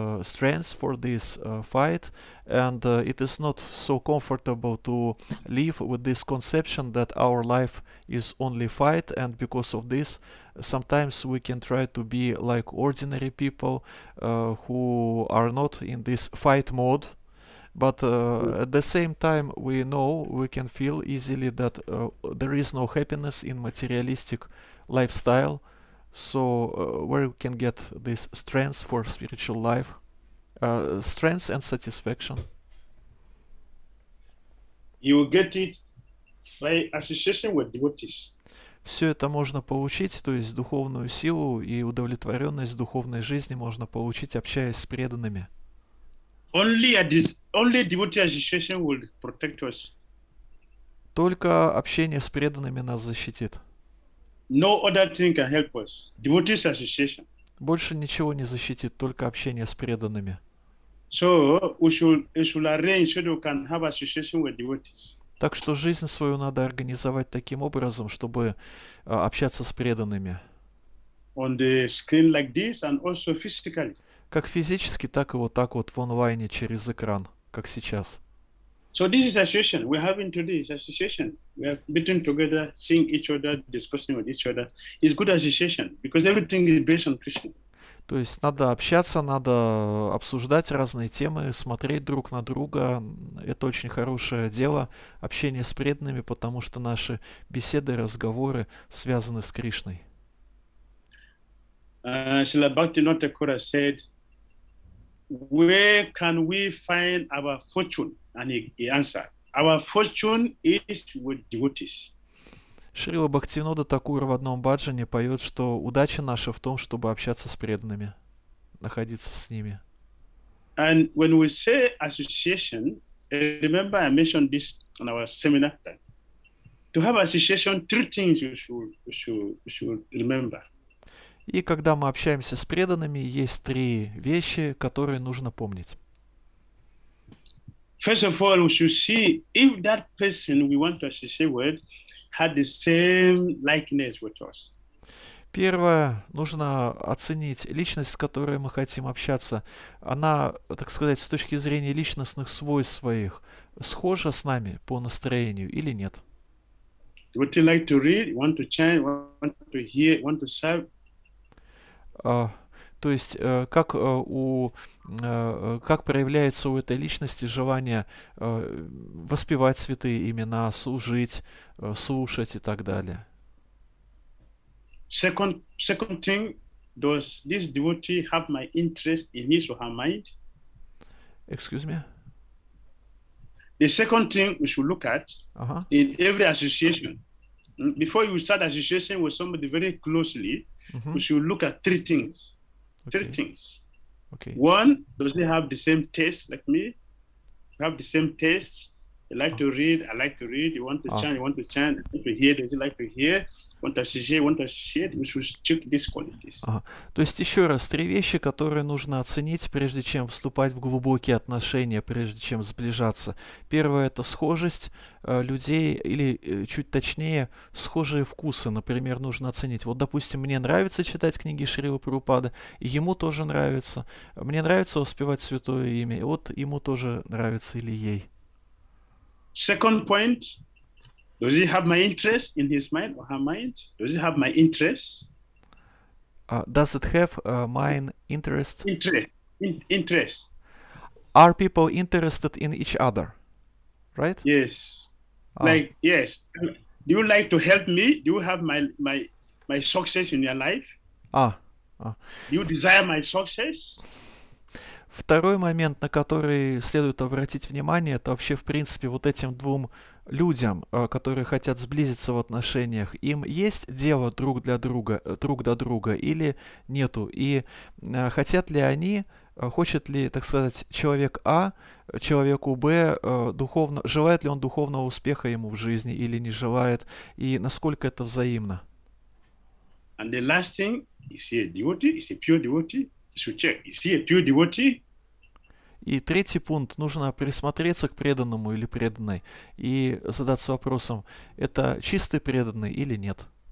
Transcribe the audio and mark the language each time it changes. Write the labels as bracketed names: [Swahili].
[English] strength for this fight, and it is not so comfortable to live with this conception that our life is only fight, and because of this sometimes we can try to be like ordinary people who are not in this fight mode, but at the same time we know, we can feel easily that there is no happiness in materialistic lifestyle. So where we can get this strength for spiritual life, strength and satisfaction? You will get it by association with devotees. [Russian] Все это можно получить, то есть духовную силу и удовлетворенность духовной жизни можно получить, общаясь с преданными. [English] Only devotee association will protect us. [Russian] Только общение с преданными нас защитит. [English] No other thing can help us. Devotees association. [Russian] Больше ничего не защитит, только общение с преданными. [English] So we should arrange so we can have association with devotees. [Russian] Так что жизнь свою надо организовать таким образом, чтобы общаться с преданными. [English] On the screen like this and also physically. [Russian] Как физически, так и вот так вот в онлайне через экран, как сейчас. [English] So this is association. We have into this association. We are meeting together, seeing each other, discussing with each other. It's good association because everything is based on Krishna. [Russian] То есть надо общаться, надо обсуждать разные темы, смотреть друг на друга. Это очень хорошее дело, общение с преданными, потому что наши беседы, разговоры связаны с Кришной. [English] Srila Bhaktivinoda Thakur said, where can we find our fortune? And he answered, our fortune is with devotees. [Russian] Шрила Бхактивинода Такура в одном баджане поет, что удача наша в том, чтобы общаться с преданными, находиться с ними. [English] And when we say association, remember I mentioned this on our seminar. To have association, three things you should remember. [Russian] И когда мы общаемся с преданными, есть три вещи, которые нужно помнить. [English] First of all, we should see if that person we want to associate with had the same likeness with us. [Russian] Первое, нужно оценить личность, с которой мы хотим общаться. Она, так сказать, с точки зрения личностных свойств своих, схожа с нами по настроению или нет? [English] Would you like to read, want to chant, want to hear, want to serve? [Russian] То есть как проявляется у этой личности желание воспевать святые имена, служить, слушать и так далее? [English] Second thing, does this devotee have my interest in his or her mind? Excuse me. The second thing we should look at in every association, before you start association with somebody very closely, we should look at three things. Three Okay. things. Okay. One, does he have the same taste like me? Have the same taste? You like to read, I like to read. You want to chant, you want to chant. You want to hear, does he like to hear? [Russian] То есть еще раз, три вещи, которые нужно оценить, прежде чем вступать в глубокие отношения, прежде чем сближаться. Первое — это схожесть людей, или чуть точнее, схожие вкусы, например, нужно оценить. Вот, допустим, мне нравится читать книги Шрилы Прабхупады, ему тоже нравится. Мне нравится воспевать святое имя, и вот ему тоже нравится или ей. [English] Second point. Does he have my interest in his mind or her mind? Does he have my interest? Does it have mine interest? Interest. Are people interested in each other? Right? Yes. Like, yes. Do you like to help me? Do you have my success in your life? Do you desire my success? [Russian] Второй момент, на который следует обратить внимание, это вообще, в принципе, вот этим двум людям, которые хотят сблизиться в отношениях, им есть дело друг для друга, друг до друга, или нету? И хотят ли они, хочет ли, так сказать, человек А, человеку Б, духовно, желает ли он духовного успеха ему в жизни или не желает, и насколько это взаимно? [English] And the last thing, is he a devotee, is he a pure devotee? Is he a pure devotee? [Russian] И третий пункт. Нужно присмотреться к преданному или преданной и задаться вопросом, это чистый преданный или нет.